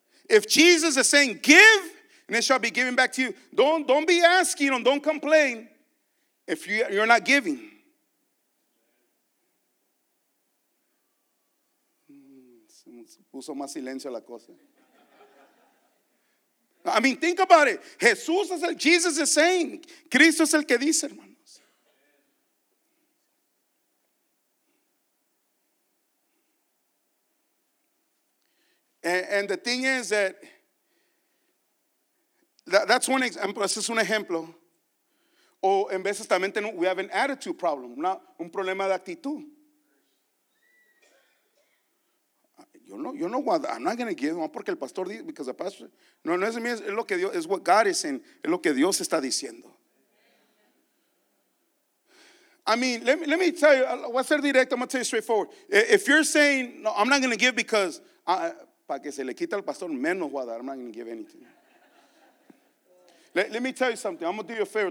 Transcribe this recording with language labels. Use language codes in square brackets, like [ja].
[en] If Jesus is saying, give, and it shall be given back to you. Don't be asking and don't complain if you're not giving. [es] Se puso más silencio la cosa. [en] I mean, think about it. Jesus is saying, [es] Cristo es el que dice, hermano. [en] And the thing is that's one example. [es] Ese es un ejemplo. O en veces también [en] we have an attitude problem. [es] Un problema de actitud. [en] I'm not going to give. [es] Porque el pastor dice. [en] Because the pastor. [es] No es mío. Es lo que Dios. Es [en] what God is saying. [es] Es lo que Dios está diciendo. [en] I mean, let me tell you. I'm going to [es] ser directo. [en] I'm going to tell you straightforward. If you're saying, no, I'm not going to give because [es] para que se le quite al pastor, menos voy a dar. [en] I'm not going to give anything. Let me tell you something. I'm going to do you a favor.